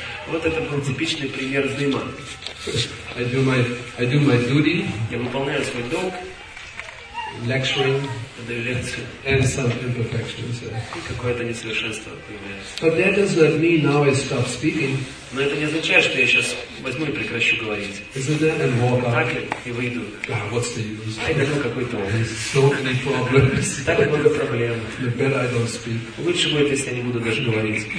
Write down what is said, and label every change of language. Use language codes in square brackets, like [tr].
[ru] Вот это был типичный пример дыма. [en] I do my duty. [ru] Я выполняю свой долг. [en] Lecturing. [ru] Даю лекцию. [en] And some imperfections. [ru] И какое-то несовершенство появляется. [en] But that does not mean now I stop speaking. [ru] Но это не означает, что я сейчас возьму и прекращу говорить. [en] Isn't that and walk out? [ru] Так и выйду. [en] Ah, what's the use? [ru] Ай, дыма какой-то он. [en] So many problems. [ru] Так много проблем. [en] The better I don't speak. [ru] Лучше будет, если я не буду даже говорить.